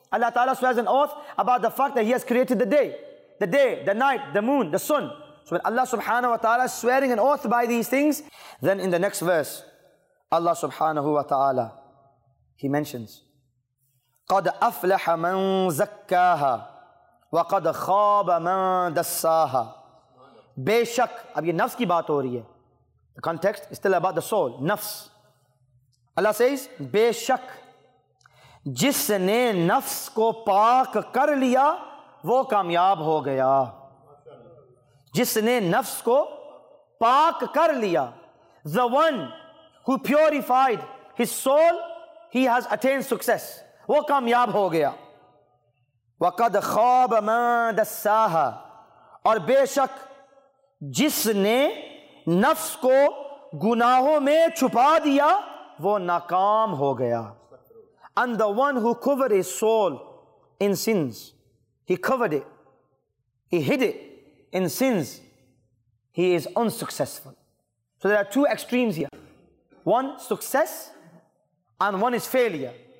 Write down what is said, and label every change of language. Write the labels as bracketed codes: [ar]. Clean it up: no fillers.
[en] Allah ta'ala swears an oath about the fact that he has created the day, the night, the moon, the sun. So when Allah subhanahu wa ta'ala is swearing an oath by these things, then in the next verse, Allah subhanahu wa ta'ala, he mentions, [ar] قَدْ أَفْلَحَ مَنْ زَكَّاهَا وَقَدْ خَابَ مَنْ دَسَّاهَا. [ur] بے شک, اب یہ نفس کی بات ہو رہی ہے. [en] The context is still about the soul, نفس. Allah says, [ur] بے شک جس نے نفس کو پاک کر لیا وہ کامیاب ہو گیا. جس نے نفس کو پاک کر لیا, [en] the one who purified his soul, he has attained success. [ur] وہ کامیاب ہو گیا. [ar] وَقَدْ خَابَ مَنْ دَسَّاهَا, [ur] اور بے شک جس نے نفس کو گناہوں میں چھپا دیا وہ ناکام ہو گیا. [en] And the one who covered his soul in sins, he covered it, he hid it in sins, he is unsuccessful. So there are two extremes here. One, success, and one is failure.